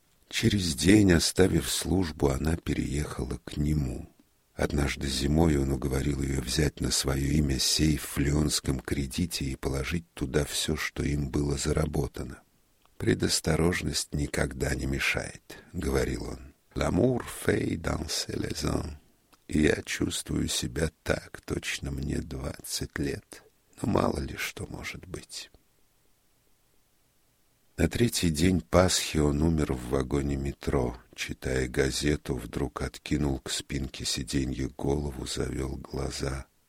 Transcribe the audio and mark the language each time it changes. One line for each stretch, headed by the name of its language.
Russian: Через день, оставив службу, она переехала к нему. Однажды зимой он уговорил ее взять на свое имя сейф в лионском кредите и положить туда все, что им было заработано. «Предосторожность никогда не мешает», — говорил он.
French: «L'amour fait danser les hommes.
Russian: Я чувствую себя так, точно мне 20 лет. Но мало ли что может быть». На третий день Пасхи он умер в вагоне метро. Читая газету, вдруг откинул к спинке сиденья голову, завел глаза.